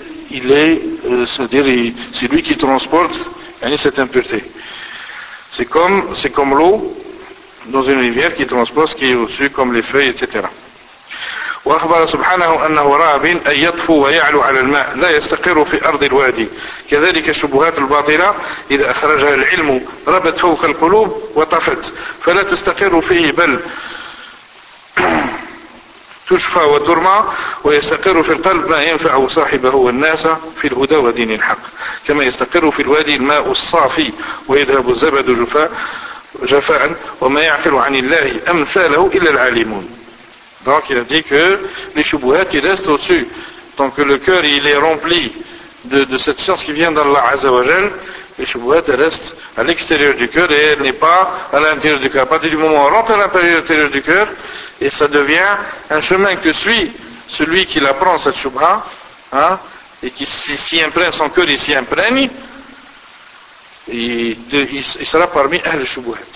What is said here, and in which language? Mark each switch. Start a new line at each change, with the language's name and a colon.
French: il est, c'est-à-dire, c'est lui qui transporte cette impureté. C'est comme l'eau dans une rivière qui transporte ce qui est au-dessus, comme les feuilles, etc.
Arabic: وأخبر سبحانه أنه راعب أن يطفو ويعلو على الماء لا يستقر في أرض الوادي كذلك الشبهات الباطلة إذا أخرجها العلم ربت فوق القلوب وطفت فلا تستقر فيه بل تشفى وترمى ويستقر في القلب ما ينفع صاحبه والناس في الهدى ودين الحق كما يستقر في الوادي الماء الصافي ويذهب الزبد جفاء وما يعقل عن الله أمثاله إلا العالمون.
French: Donc il a dit que les choubouhats ils restent au-dessus. Tant que le cœur il est rempli de cette science qui vient d'Allah Azzawajal, les choubouhats restent à l'extérieur du cœur et elle n'est pas à l'intérieur du cœur. À partir du moment où on rentre à l'intérieur du cœur, et ça devient un chemin que suit celui qui l'apprend cette choubha, hein, et qui s'y imprègne, son cœur il s'y imprègne, il sera parmi les choubouhats.